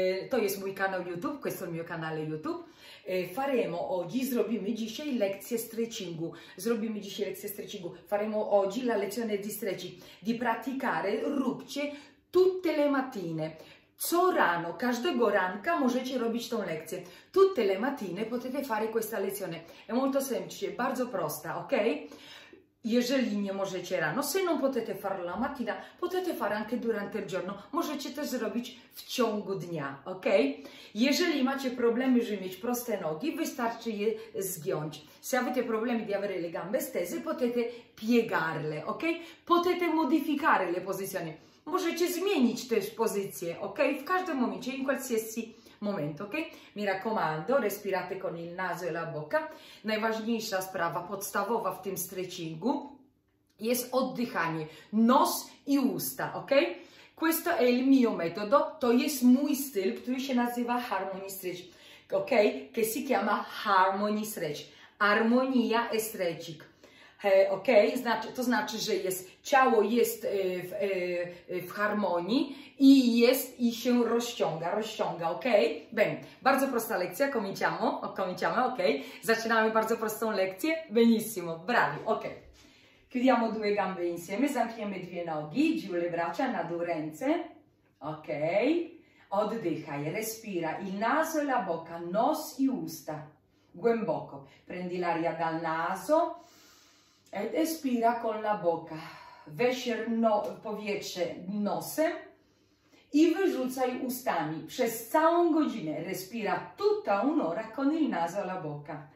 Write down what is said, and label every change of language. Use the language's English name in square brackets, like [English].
[Polish] To jest mój kanał YouTube, [Italian] questo è il mio canale YouTube. Faremo oggi, [Polish] zrobimy dzisiaj lekcję stretchingu. Zrobimy dzisiaj lekcję stretchingu. [Italian] Faremo oggi la lezione di stretching. Di praticare, [Polish] róbcie [Italian] tutte le mattine. [Polish] Co rano, każdego ranka możecie robić tą lekcję. [Italian] Tutte le mattine potete fare questa lezione. È molto semplice, [Polish] bardzo prosta, [Italian] ok? [Polish] Jeżeli nie możecie rano, [Italian] se non potete farlo la mattina, potete fare anche durante il giorno. [Polish] Możecie też zrobić w ciągu dnia, ok? Jeżeli macie problemy, żeby mieć proste nogi, wystarczy je zgiąć. [Italian] Se avete problemi di avere le gambe stese, potete piegarle, ok? Potete modificare le posizioni. [Polish] Możecie zmienić też pozycję, ok? W każdym momencie, [Italian] in qualsiasi momento, [Polish] ok? [Italian] Mi raccomando, respirate con il naso e la bocca. [Polish] Najważniejsza sprawa, podstawowa w tym stretchingu jest oddychanie, nos i usta, ok? [Italian] Questo è il mio metodo, [Polish] to jest mój styl, który się nazywa [Italian] Harmony Stretch, ok? Che si chiama Harmony Stretch, armonia e stretching. Ok? [Polish] To znaczy, że ciało jest w harmonii i się rozciąga, ok? [Italian] Bene, [Polish] bardzo prosta lekcja, [Italian] cominciamo, [Polish] ok? Zaczynamy bardzo prostą lekcję, [Italian] benissimo, bravi, [Polish] ok. [Italian] Chiudiamo due gambe insieme, [Polish] zamkniemy dwie nogi, [Italian] giù le braccia, [Polish] na due ręce, [Italian] ok? [Polish] Oddychaj, [Italian] respira, il naso e la bocca, [Polish] nos i usta, głęboko, [Italian] prendi l'aria dal naso, ed espira con la bocca, [Polish] weź powietrze nosem i wyrzucaj ustami przez całą godzinę. [Italian] Respira tutta un'ora con il naso alla bocca.